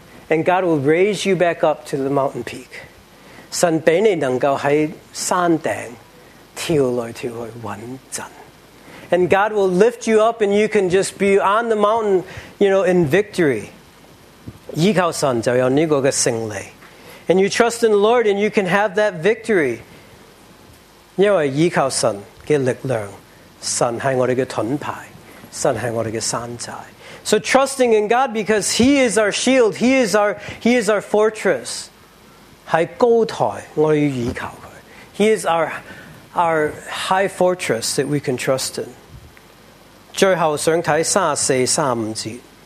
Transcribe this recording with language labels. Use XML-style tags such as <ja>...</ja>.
<en>and God will raise you back up to the mountain peak.</en> <zh>神给你能够在山顶跳来跳去稳阵,</zh> <en>and God will lift you up and you can just be on the mountain, you know, in victory.</en> <zh>依靠神就有这个胜利,</zh> <en>and you trust in the Lord and you can have that victory.</en> <zh>因为依靠神的力量,神是我们的盾牌, 神是我们的山寨.</zh> <en>So trusting in God, because He is our shield, He is our fortress.</en> <zh>在高台我们要依靠祂.</zh> <en>He is our high fortress that we can trust in.</en> <zh>最后想看34、35节.</zh>